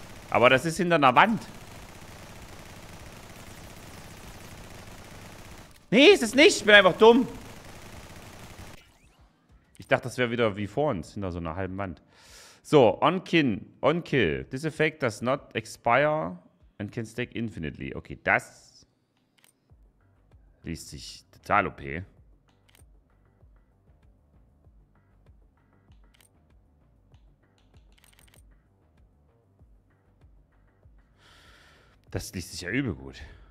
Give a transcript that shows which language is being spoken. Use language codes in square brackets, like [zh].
[de] Aber das ist hinter einer Wand. Nee, es ist nicht. Ich bin einfach dumm. Ich dachte, das wäre wieder wie vor uns, hinter so einer halben Wand. [en] So, on kill. This effect does not expire and can stack infinitely. [de] Okay, das liest sich total OP. Das liest sich ja übel gut.